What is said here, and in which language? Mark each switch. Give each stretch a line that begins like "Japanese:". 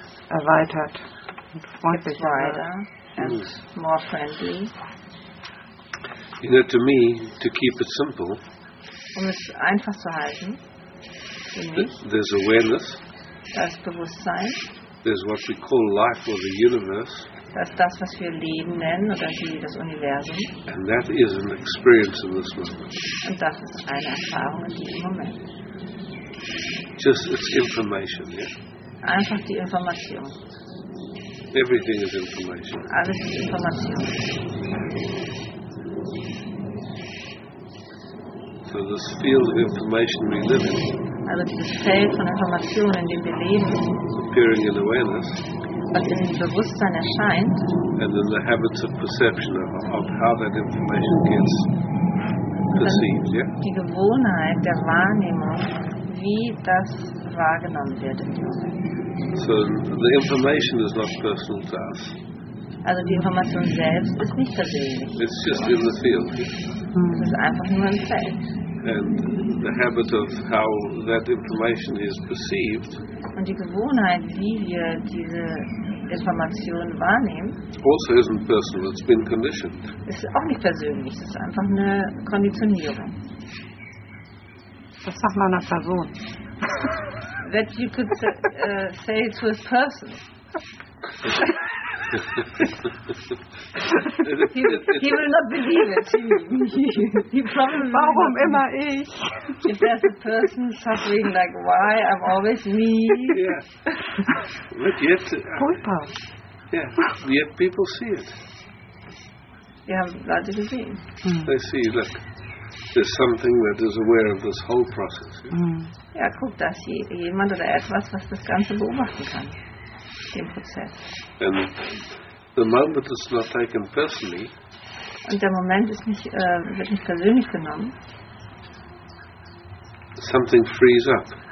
German: erweitert und freundlicher
English: and more friendly. You know, to me, to keep it simple,
German: es einfach zu halten,
English: there's awareness,
German: das Bewusstsein,
English: there's what we call life or the universe,
German: das, was wir Leben nennen, oder das Universum,
English: and that is an experience in this moment.
German: Und das ist eine Erfahrung in diesem Moment.
English: Just it's information, yeah?
German: Einfach die Information.
English: Everything is information.
German: Alles ist Information.
English: So this field of information we live in,
German: also dieses Feld von Informationen, in dem wir leben,
English: appearing in awareness,
German: was in Bewusstsein erscheint,
English: and then the habits of perception of how that information gets perceived, yeah?
German: Die Gewohnheit der Wahrnehmung, wie das wahrgenommen wird.
English: So the information is not personal to us.
German: Also die Information selbst ist nicht persönlich.
English: It's just in the field.
German: Es ist einfach nur im Feld.
English: And the habit of how that information is perceived.
German: Und die Gewohnheit, wie wir diese Information wahrnehmen.
English: Also isn't personal. It's been conditioned.
German: Ist auch nicht persönlich. Es ist einfach eine Konditionierung. Das sagt man einer Person.
English: That you could say to a person. he will not believe it. He probably.
German: Warum immer ich?
English: If there's a person suffering, like why I'm always me? Yeah. But yet. Kulpa. Yeah. Yet people see it.
German: Yeah, Leute gesehen.
English: They see. Look, there's something that is aware of this whole process. Yeah.
German: Guck, da ist jemand oder etwas, was das Ganze beobachten kann. Den Prozess.
English: And the moment is not taken personally.
German: Und der Moment ist nicht, wird nicht persönlich genommen.
English: Something frees up.